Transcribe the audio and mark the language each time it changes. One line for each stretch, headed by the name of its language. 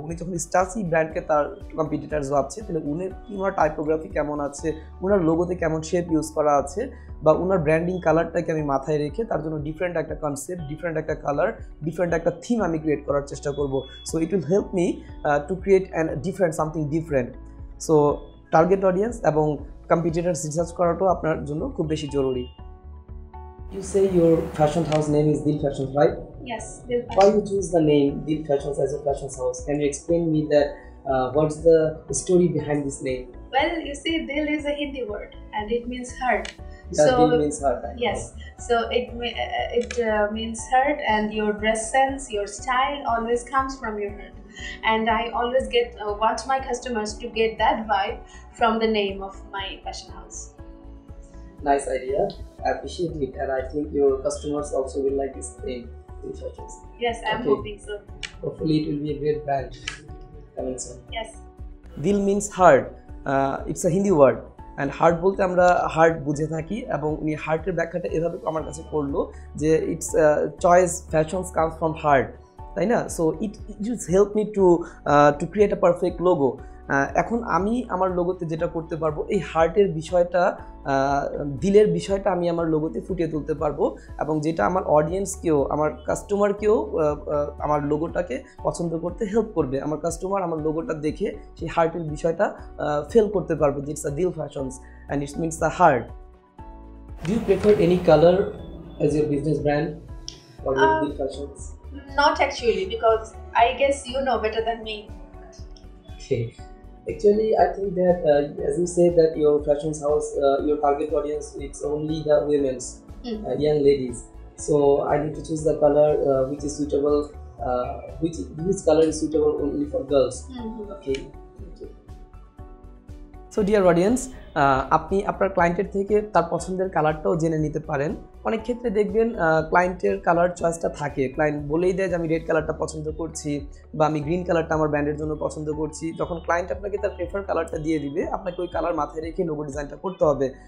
Bangla: উনি যখন স্টাসি ব্র্যান্ডকে তার কম্পিটিটার্স ভাবছে, তাহলে উনি ওনার টাইপোগ্রাফি কেমন আছে, ওনার লোগোতে কেমন শেপ ইউজ করা আছে, বা ওনার ব্র্যান্ডিং কালারটাকে আমি মাথায় রেখে তার জন্য ডিফারেন্ট একটা কনসেপ্ট, ডিফারেন্ট একটা কালার, ডিফারেন্ট একটা থিম আমি ক্রিয়েট করার চেষ্টা করব।
English: So it will help me to create an different, something different.
Bangla: So target audience এবং কম্পিটিটার্স রিসার্চ করাটাও আপনার জন্য খুব বেশি জরুরি।
English: You say your fashion house name is Dil Fashions, right? Yes, Dil Fashions. Why you choose the name Dil Fashions as a fashion house? Can you explain me that, what's the story behind this name? Well, you see, Dil is a Hindi word and it means heart. Yeah, so, Dil means heart. Yes. So it means heart, and your dress sense, your style always comes from your heart. And I always want my customers to get that vibe from the name of my fashion house. Nice idea. I appreciate it, and I think your customers also will like this thing. Yes, I'm okay. Hoping so. Hopefully it will be a great brand coming soon. Yes. Dil means heart. It's a Hindi word.
Bangla: And heart বলতে আমরা heart বুঝে থাকি, এবং উনি হার্টের ব্যাখ্যাটা এভাবে আমার কাছে করলো যে
English: it's choice, fashions comes from heart,
Bangla: তাই না?
English: So it use help me to create a perfect logo.
Bangla: এখন আমি আমার লোগোতে যেটা করতে পারবো, এই হার্টের বিষয়টা, দিলের বিষয়টা আমি আমার লোগোতে ফুটিয়ে তুলতে পারবো, এবং যেটা আমার অডিয়েন্সকেও, আমার কাস্টমারকেও আমার লোগোটাকে পছন্দ করতে হেল্প করবে। আমার কাস্টমার আমার লোগোটা দেখে সেই হার্টের বিষয়টা ফেল করতে পারবে যে
English: It's a Dil Fashions and it's means a heart. Do you prefer any colour as your business brand or Dil Fashions? Not actually, because I guess you know better than me. Okay. Actually, I think that as you say that your fashion house, your target audience, it's only the women's, young ladies. So I need to choose the color which is suitable, which color is suitable only for girls. Mm-hmm. Okay.
Bangla: So dear audience, আপনি আপনার ক্লায়েন্টের থেকে তার পছন্দের কালারটাও জেনে নিতে পারেন। অনেক ক্ষেত্রে দেখবেন ক্লায়েন্টের কালার চয়েসটা থাকে, ক্লায়েন্ট বলেই দেয় যে আমি রেড কালারটা পছন্দ করছি বা আমি গ্রিন কালারটা আমার ব্র্যান্ডের জন্য পছন্দ করছি। যখন ক্লায়েন্ট আপনাকে তার প্রেফার কালারটা দিয়ে দিবে, আপনাকে ওই কালার মাথায় রেখে লোগো ডিজাইনটা করতে হবে।